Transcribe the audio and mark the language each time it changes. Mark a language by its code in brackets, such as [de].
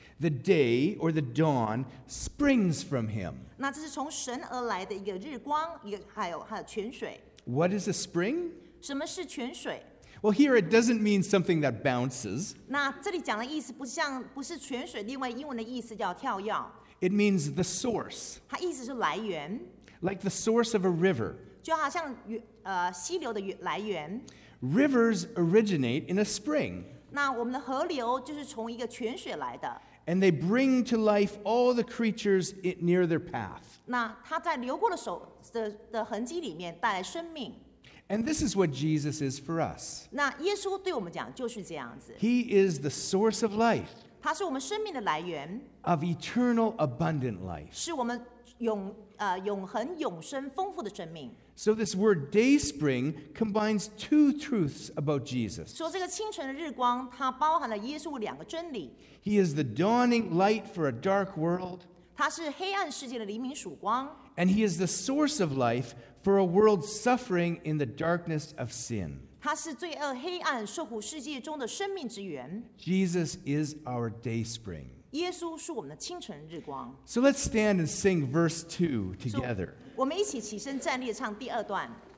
[en] The day or the dawn springs from him. [zh] 那这是从神而来的一个日光，还有泉水。 [en] What is a spring? [zh] 什么是泉水？ [en] Well, here it doesn't mean something that bounces. [zh] 那这里讲的意思不像，不是泉水，另外英文的意思叫跳跃。 [en] It means the source. [zh] 它意思是来源。 [en] Like the source of a river. [zh] 就好像溪流的来源。 [en] Rivers originate in a spring. [zh] 那我们的河流就是从一个泉水来的。 [en] And they bring to life all the creatures near their path. [zh] 那它在流过的手 的痕迹里面带来生命。 [en] And this is what Jesus is for us. [zh] 那耶稣对我们讲就是这样子。 [en] He is the source of life. [zh] 他是我们生命的来源。 [en] Of eternal abundant life. [zh] 是我们永永恒永生丰富的生命。 [en] So this word day spring combines two truths about Jesus. [zh] 说这个清晨的日光，它包含了耶稣两个真理。 [en] He is the dawning light for a dark world. [zh] 他是黑暗世界的黎明曙光。 [en] And he is the source of life for a world suffering in the darkness of sin. [zh] 他是罪恶黑暗受苦世界中的生命之源。 [en] Jesus is our day spring. [zh] 耶稣是我们的清晨日光。 [en] So let's stand and sing verse 2 together. So, [zh] 我们一起起身站立唱第二段。